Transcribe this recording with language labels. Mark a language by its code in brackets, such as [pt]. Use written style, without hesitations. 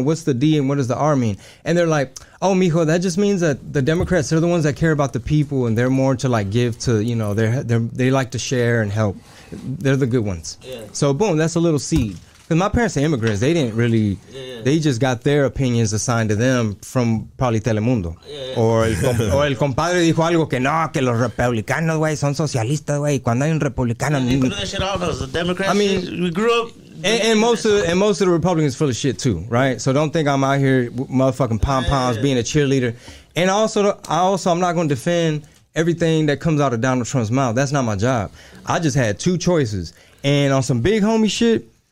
[en] What's the D and what does the R mean?" And they're like, "Oh, mijo, that just means that the Democrats are the ones that care about the people and they're more to like give to, you know, they like to share and help. They're the good ones." Yeah. So boom, that's a little seed. Because my parents are immigrants. They didn't really... Yeah. They just got their opinions assigned to them from probably Telemundo. Yeah. [es] Or el compadre dijo algo que no, que los republicanos, güey, son socialistas, güey. Cuando hay un republicano... [en] Yeah, they put that shit off as a Democrat. I mean, we grew up... And most of the Republicans are full of shit, too, right? So don't think I'm out here motherfucking pom-poms being a cheerleader. And also, I'm not going to defend everything that comes out of Donald Trump's mouth. That's not my job. I just had two choices. And on some big homie shit...